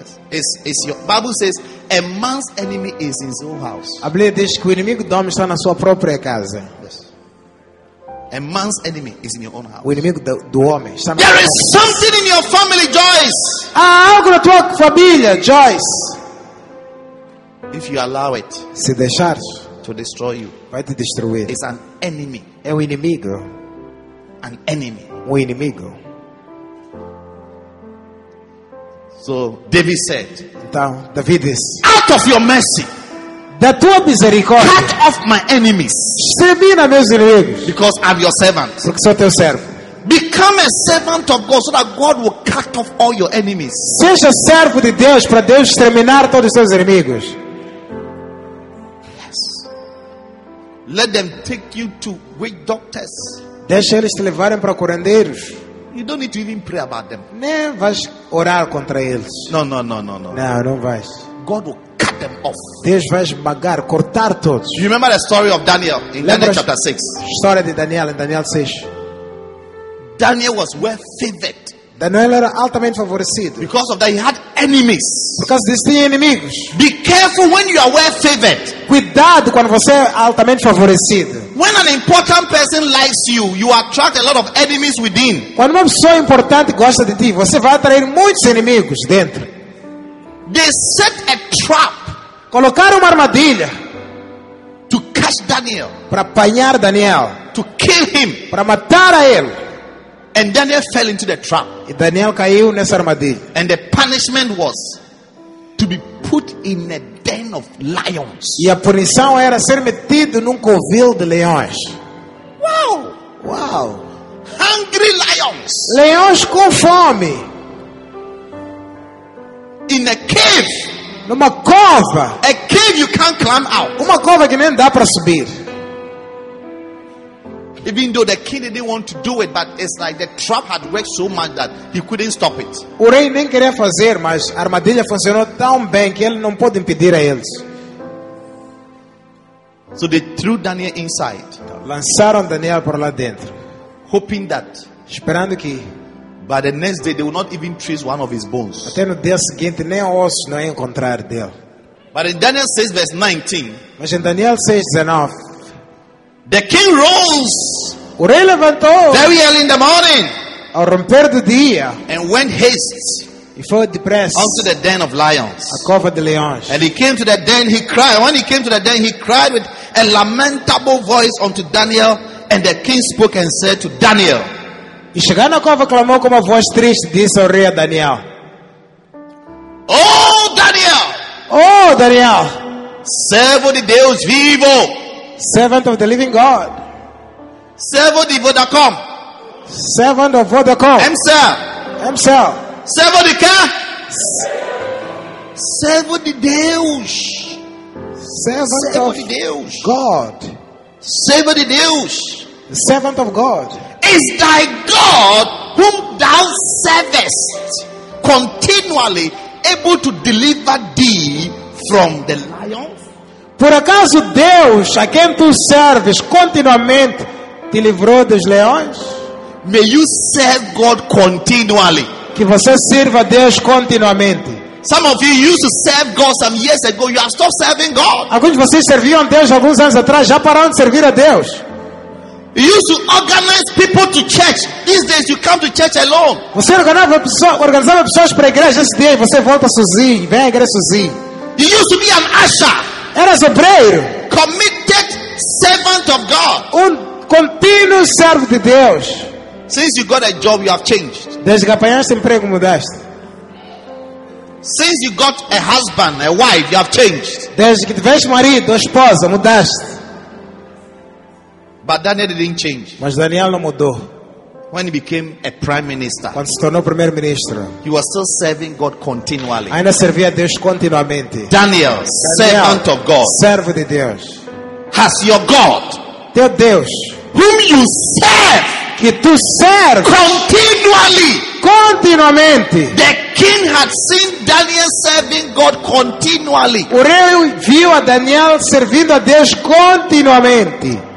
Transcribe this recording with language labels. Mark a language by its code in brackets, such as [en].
[en] It's your Bible says a man's enemy is in his own house. [pt] A Bíblia diz que o inimigo do homem está na sua própria casa. [en] Yes. A man's enemy is in your own house. [pt] O inimigo do homem está na [en] There [pt] casa. [en] Is something in your family, Joyce. [pt] Há algo na tua família, Joyce. [en] If you allow it, [pt] se deixar, [en] to destroy you, [pt] vai te destruir. [en] It's an enemy. [pt] É um inimigo. [en] An enemy. [pt] Um inimigo. [en] So David said, [pt] então, David is, [en] out of your mercy, [pt] da tua misericórdia, [en] cut off my enemies, [pt] extermina meus inimigos, [en] because I'm your servant, [pt] porque sou teu servo. [en] Become a servant of God so that God will cut off all your enemies. [pt] Seja servo de Deus para Deus exterminar todos os seus inimigos. [en] Yes. Let them take you to witch doctors. [pt] Deixa eles te levarem para curandeiros. [en] You don't need to even pray about them. [pt] Nem vais orar contra eles. Não vais. [en] God will cut them off. [pt] Deus vai esmagar, cortar todos. [en] You remember the story of Daniel in Daniel chapter 6? [pt] História de Daniel em Daniel 6. [en] Daniel was well favored. [pt] Daniel era altamente favorecido. [en] Because of that he had enemies. [pt] Porque eles tinham inimigos. [en] Be careful when you are well favored. [pt] Cuidado quando você é altamente favorecido. [en] When an important person likes you, you attract a lot of enemies within. [pt] Quando uma pessoa importante gosta de ti, você vai atrair muitos inimigos dentro. [en] They set a trap. [pt] Colocaram uma armadilha. [en] To catch Daniel. [pt] Para apanhar Daniel. [en] To kill him. [pt] Para matar a ele. [en] And Daniel fell into the trap. [pt] E Daniel caiu nessa armadilha. [en] And the punishment was to be put in a den of lions. [pt] E a punição era ser metido num covil de leões. Wow! Wow! [en] Hungry lions. [pt] Leões com fome. [en] In a cave. [pt] Numa cova. [en] A cave you can't climb out. [pt] Uma cova que nem dá para subir. [en] Even though the king didn't want to do it, but it's like the trap had worked so much that he couldn't stop it. [pt] O rei nem queria fazer, mas a armadilha funcionou tão bem que ele não pôde impedir a eles. [en] So they threw Daniel inside. [pt] Lançaram Daniel por lá dentro. [en] Hoping that, [pt] esperando que, [en] by the next day they will not even trace one of his bones. [pt] Até no dia seguinte nem osso não encontrar dele. [en] But in Daniel 6 verse 19. [pt] Mas em Daniel 6 19. [en] The king rose. [pt] O rei levantou. [en] Very early in the morning. [pt] Ao romper do dia. [en] And went haste. [pt] E foi depressa. [en] Unto the den of lions. [pt] A cova de leões. [en] And he came to the den. He cried. When he came to the den, he cried with a lamentable voice unto Daniel. And the king spoke and said to Daniel. [pt] E chegando na cova, clamou com uma voz triste, disse ao rei Daniel. [en] Oh Daniel. [pt] Oh Daniel. Servo de Deus vivo. [en] Servant of the living God. [pt] Servo de Vodacom. [en] Servant of Vodacom. Himself. [pt] Servo de quem? Servo de Deus. [en] Servant of [pt] Deus. [en] God. [pt] Servo de Deus. [en] Servant of God. Is thy God whom thou servest continually able to deliver thee from the lions? [pt] Por acaso Deus, a quem tu serves continuamente, te livrou dos leões? [en] May you serve God continually. [pt] Que você sirva Deus continuamente. [en] Some of you used to serve God some years ago. You have stopped serving God. [pt] Alguns de vocês serviam Deus alguns anos atrás, já pararam de servir a Deus. [en] You used to organize people to church. These days you come to church alone. [pt] Você organizava pessoas para a igreja esse dia e você volta sozinho, vem à igreja sozinho. [en] You used to be an usher. [pt] Era obreiro, [en] committed servant of God, [pt] um contínuo servo de Deus. [en] Since you got a job, you have changed. [pt] Desde que apanhaste emprego mudaste. [en] Since you got a husband, a wife, you have changed. [pt] Desde que tiveste marido, esposa, mudaste. [en] But Daniel didn't change. [pt] Mas Daniel não mudou. [en] When he became a prime minister, [pt] quando se tornou primeiro-ministro, [en] he was still serving God continually. [pt] Ainda servia a Deus continuamente. [en] Daniel, servant of God, [pt] servo de Deus. [en] Has your God, [pt] teu Deus, [en] whom you serve, [pt] que tu serves, [en] continually, [pt] continuamente. [en] The king had seen Daniel serving God continually. [pt] O rei viu a Daniel servindo a Deus continuamente.